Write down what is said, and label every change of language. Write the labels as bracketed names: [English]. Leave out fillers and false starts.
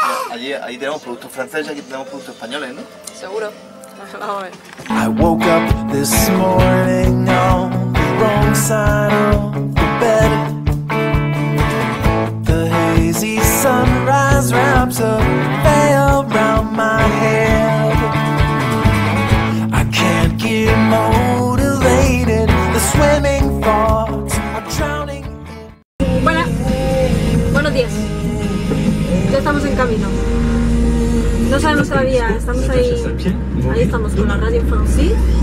[Spanish] Allí, ahí tenemos productos franceses y aquí tenemos productos españoles, ¿no? Seguro. Vamos a ver. [English] I woke up this morning on the wrong side of the bed. The hazy sunrise wraps a veil around my head. I can't get motivated. The swimming thoughts are drowning in. [Spanish] Buenos días. Ya estamos en camino. No sabemos todavía, estamos ahí. Ahí estamos con la radio francesa.